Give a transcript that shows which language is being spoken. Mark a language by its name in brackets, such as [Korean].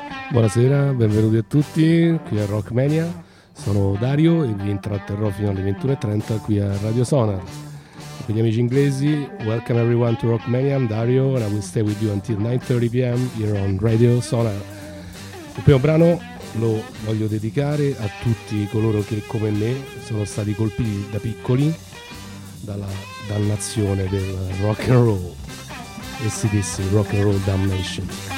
[Italian] Buonasera, benvenuti a tutti qui a Rockmania. Sono Dario e vi intratterrò fino alle 21.30 qui a Radio Sonar. Per gli amici inglesi, [English] welcome everyone to Rockmania. I'm Dario and I will stay with you until 9:30 PM here on Radio Sonar. [Italian] Il primo brano lo voglio dedicare a tutti coloro che, come me, sono stati colpiti da piccoli dalla dannazione del rock and roll. E si disse [English] rock and roll damnation.